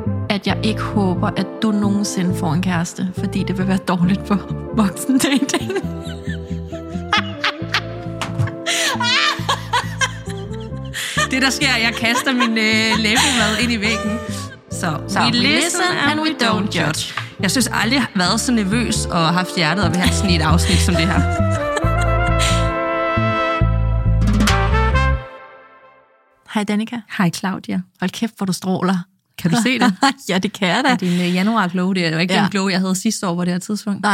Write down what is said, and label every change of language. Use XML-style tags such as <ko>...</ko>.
<da>at jeg ikke håber, at du nogensinde får en kæreste, fordi det vil være dårligt for voksen dating. Det, der sker, jeg kaster min læbemad ind i væggen. Så</da> <en>we listen and we don't judge.</en> <da>Jeg synes aldrig, jeg har været så nervøs og haft hjertet og vil have sådan et afsnit som det her. Hej Danica. Hej Claudia. Hold kæft, hvor du stråler. Kan du se det? Ja, det kan jeg da. Og din januar glow, det er jo ikke den glow, jeg havde sidste år på det her tidspunkt.</da>